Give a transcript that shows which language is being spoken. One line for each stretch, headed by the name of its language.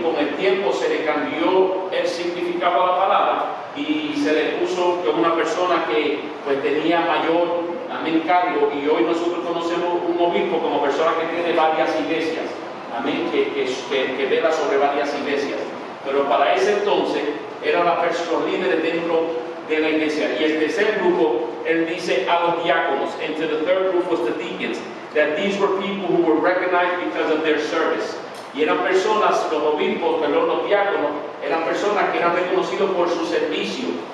Spanish: Con el tiempo se le cambió el significado a la palabra y se le puso que una persona que pues tenía mayor amén cargo, y hoy nosotros conocemos un obispo como persona que tiene varias iglesias, amén, que vela sobre varias iglesias. Pero para ese entonces eran las personas líderes dentro de la iglesia. Y el tercer grupo, él dice a los diáconos.
English: And to the third group was the deacons, that these were people who were recognized because of their service.
Spanish: Y eran personas, los obispos, perdón, los diáconos, eran personas que eran reconocidos por su servicio.